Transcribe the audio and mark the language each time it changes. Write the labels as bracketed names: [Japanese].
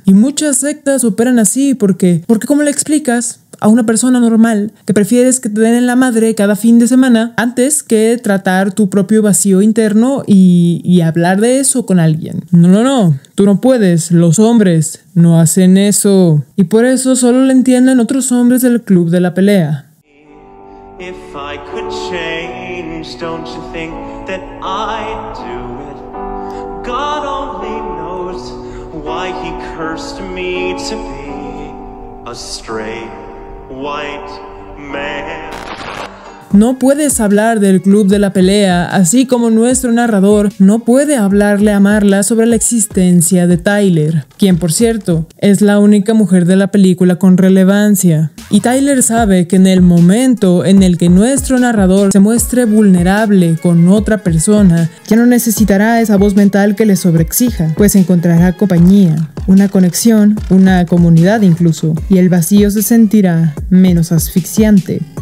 [Spanish] Y muchas sectas operan así porque ¿cómo le explicas a una persona normal que prefieres que te den en la madre cada fin de semana antes que tratar tu propio vacío interno y hablar de eso con alguien? No, tú no puedes, los hombres no hacen eso. Y por eso solo lo entienden otros hombres del club de la pelea. [English] If I could change, don't you think that I'd do it? God only knows why he cursed me to be a straight white man. [Spanish] No puedes hablar del club de la pelea, así como nuestro narrador no puede hablarle a Marla sobre la existencia de Tyler, quien por cierto es la única mujer de la película con relevancia. Y Tyler sabe que en el momento en el que nuestro narrador se muestre vulnerable con otra persona, ya no necesitará esa voz mental que le sobreexija, pues encontrará compañía, una conexión, una comunidad incluso, y el vacío se sentirá menos asfixiante.